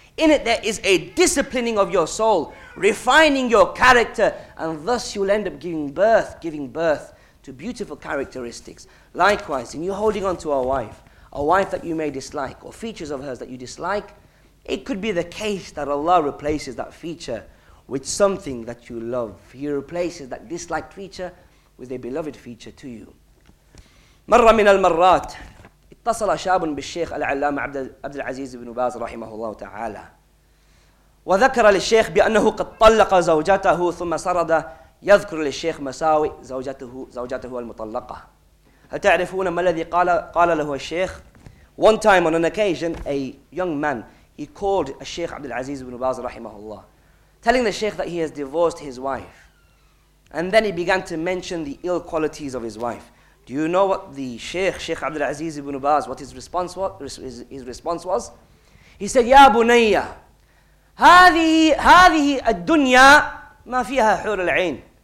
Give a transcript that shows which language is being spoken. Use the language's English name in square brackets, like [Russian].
[English] In it there is a disciplining of your soul, refining your character, and thus you'll end up giving birth to beautiful characteristics. Likewise, in you holding on to a wife that you may dislike, or features of hers that you dislike, it could be the case that Allah replaces that feature with something that you love. He replaces that disliked feature with a beloved feature to you. [Arabic] مرة من المرات اتصل شاب بالشيخ العلامة عبد العزيز بن باز رحمه الله تعالى وذكر للشيخ بأنه قد طلق زوجته ثم سرد يذكر للشيخ مساوئ زوجته المطلقة. هل تعرفون ما الذي قال له الشيخ؟ [English] One time on an occasion, a young man, he called a Sheikh Abdul Aziz ibn Baz rahimahullah, telling the Sheikh that he has divorced his wife. And then he began to mention the ill qualities of his wife. Do you know what the Sheikh Abdul Aziz ibn Baz, what his response was? He said, [Arabic] Ya Bunayya, هذه الدنيا ما فيها حور العين.